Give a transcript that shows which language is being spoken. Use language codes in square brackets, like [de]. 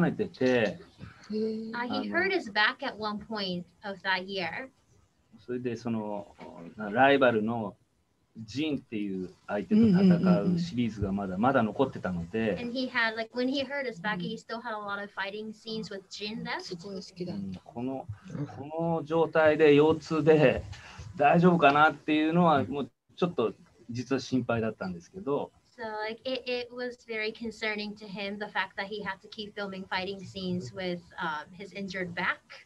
[en] He hurt his back at one point of that year. [ja] それでそのライバルのジンっていう相手と戦うシリーズがまだ残ってたので。 [en] And he had like when he hurt his back, he still had a lot of fighting scenes with Jin left. [ja] この状態で腰痛で大丈夫かなっていうのはもうちょっと実は心配だったんですけど。So [en] like it was very concerning to him the fact that he had to keep filming fighting scenes with his injured back.